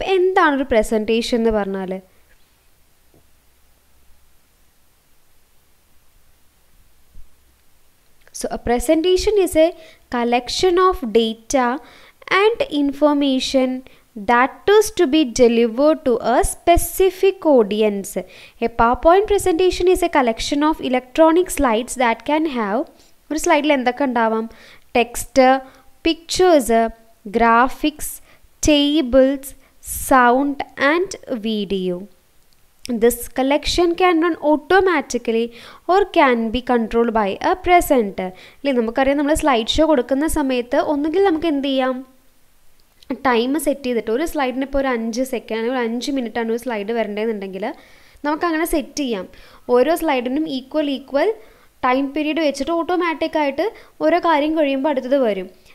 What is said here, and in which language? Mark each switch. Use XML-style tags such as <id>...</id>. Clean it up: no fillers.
<ml>അപ്പോൾ എന്താണ് ഒരു പ്രസൻറ്റേഷൻ എന്ന് പറഞ്ഞാൽ,</ml> <en>So presentation is a collection of data and information that is to be delivered to a specific audience. A power point presentation is a collection of electronic slides that can have,</en> <ml>ഒരു സ്ലൈഡിൽ എന്തൊക്കെ ഉണ്ടാവാം,</ml> <en>Text, pictures, graphics, tables, sound and video. This collection can run automatically or can be controlled by a presenter.</en> <ml>ഇല്ലേ, നമുക്കറിയാം നമ്മൾ slide show കൊടുക്കുന്ന സമയത്ത് ഒന്നുകിൽ നമുക്ക് എന്ത് ചെയ്യാം, ടൈം സെറ്റ് ചെയ്തിട്ട് ഒരു സ്ലൈഡിന് ഇപ്പോൾ ഒരു 5 സെക്കൻഡ് അല്ലെങ്കിൽ ഒരു 5 മിനിറ്റാണ് ഒരു സ്ലൈഡ് വരേണ്ടതെന്നുണ്ടെങ്കിൽ നമുക്കങ്ങനെ സെറ്റ് ചെയ്യാം. ഓരോ സ്ലൈഡിനും ഈക്വൽ ടൈം പീരീഡ് വെച്ചിട്ട് ഓട്ടോമാറ്റിക്കായിട്ട് ഓരോ കാര്യം കഴിയുമ്പോൾ അടുത്തത് വരും.</ml>